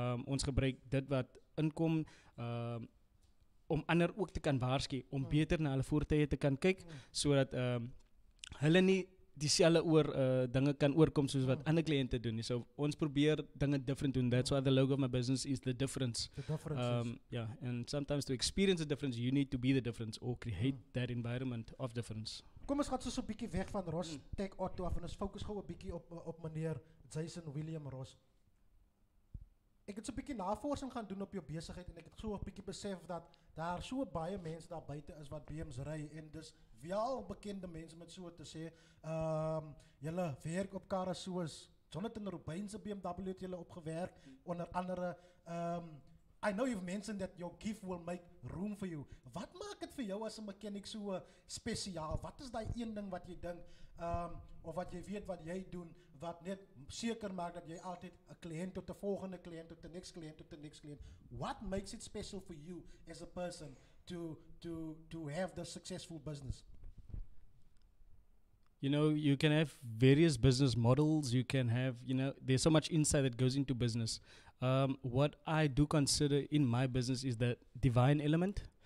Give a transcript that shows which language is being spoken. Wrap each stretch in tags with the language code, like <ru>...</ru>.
<af>Ons gebruik dit wat inkom om ander ook te kan waarsku, om beter na hulle voertuie te kan kyk, sodat hulle nie dieselfde oor dinge kan oorkom soos wat ander kliënte doen. So ons probeer dinge different doen.</af> <en>That's why the logo of my business is the difference. The difference. Yeah, and sometimes to experience the difference you need to be the difference or create that environment of difference.</en> <af>Kom ons gaan so 'n bietjie weg van Ross Tech Auto af en ons fokus gou 'n bietjie op meneer Jason William Ross. Ek het so 'n bietjie navorsing gaan doen op jou besigheid en ek het so 'n bietjie besef dat daar so baie mense daar buite is wat BMW's ry en dus wel bekende mense met so te sê, julle werk op karre soos Jonathan Rubin's BMW het julle opgewerk, onder andere,</af> <en>I know you've mentioned that your gift will make room for you.</en> <af>Wat maak het vir jou as 'n mechanic so spesiaal? Wat is die een ding wat jy dink, of wat jy weet wat jy doen, wat net seker maak dat jy altyd 'n kliënt tot 'n volgende kliënt, tot 'n next kliënt, tot 'n next kliënt.</af> <en>What makes it special for you as a person to have the successful business? You know, you can have various business models. You can have, you know, there's so much insight that goes into business. What I do consider in my business is the divine element.</en>